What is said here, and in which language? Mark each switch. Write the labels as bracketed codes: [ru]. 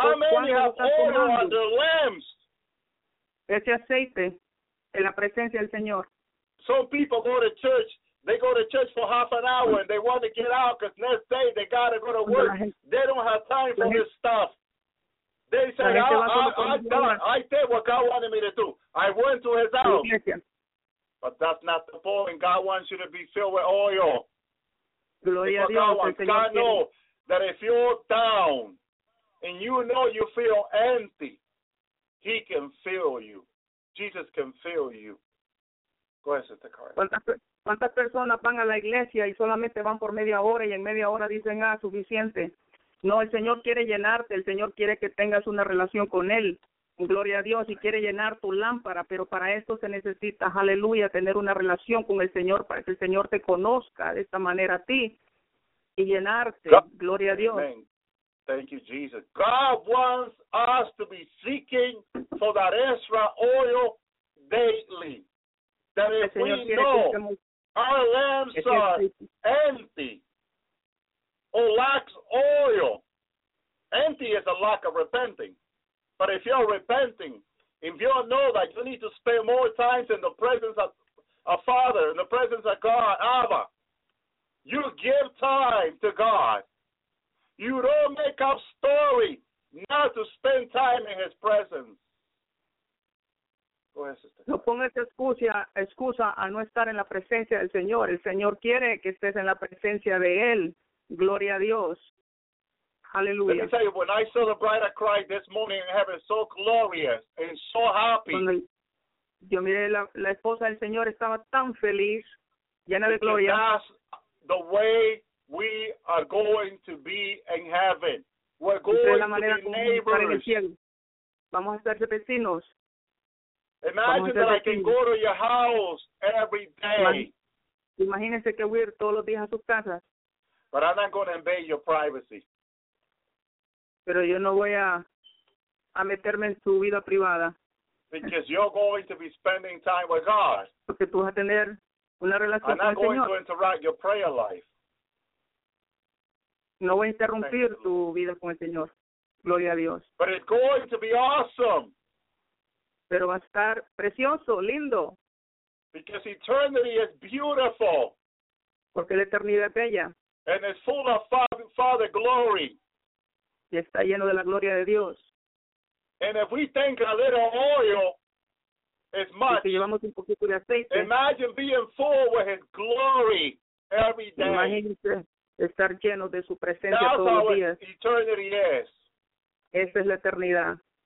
[es] ¿Cuántos están tomando ese aceite en la presencia del Señor? [en] Some people go to church. They go to church for half an hour and they want to get out because next day they got to go to work. They don't have time for this stuff. They said, I did what God wanted me to do. I went to his house. But that's not the point. God wants you to be filled with oil. [es] Gloria a Dios, [en] God knows that if you're down and you know you feel empty, he can fill you. Jesus can fill you. Go ahead, Sister Carla. [es] ¿Cuántas personas van a la iglesia y solamente van por media hora y en media hora dicen, suficiente? No, el Señor quiere llenarte, el Señor quiere que tengas una relación con Él, gloria a Dios, y quiere llenar tu lámpara, pero para esto se necesita, aleluya, tener una relación con el Señor, para que el Señor te conozca de esta manera a ti, y llenarte, gloria a Dios. [en] Amen. Thank you, Jesus. God wants us to be seeking for that extra oil daily. That if [es] el Señor [en] we know our lamps are empty, or lacks oil. Empty is a lack of repenting. But if you're repenting, if you know that you need to spend more time in the presence of a Father, in the presence of God, Abba, you give time to God. You don't make up story not to spend time in his presence. [es] No pongas excusa a no estar en la presencia del Señor. El Señor quiere que estés en la presencia de Él. Gloria a Dios. Hallelujah. [en] Let me tell you, when I saw the bride of Christ this morning in heaven, so glorious and so happy. [es] Yo miré la esposa del Señor, estaba tan feliz, llena de gloria. [en] That's the way we are going to be in heaven. We're going to be neighbors. [es] Vamos a ser vecinos. [en] Imagine that I can go to your house every day. [es] Imagínese que voy a ir todos los días a sus casas. [en] But I'm not going to invade your privacy. [es] Pero yo no voy a meterme en su vida privada. [en] Because you're going to be spending time with God. [es] Porque tú vas a tener una relación con el Señor. [en] I'm not going to interrupt your prayer life. [es] No voy a interrumpir tu vida con el Señor. Gloria a Dios. [en] But it's going to be awesome. [es] Pero va a estar precioso, lindo. [en] Because eternity is beautiful. [es] Porque la eternidad es bella. [en] And it's full of Father glory. [es] Y está lleno de la gloria de Dios. [en] And if we think a little oil is much, [es] si llevamos un poquito de aceite, [en] imagine being full with his glory every day. [es] Imagínese estar lleno de su presencia [en] That's [es] todos los días. [en] Eternity is. [es] Esa es la eternidad.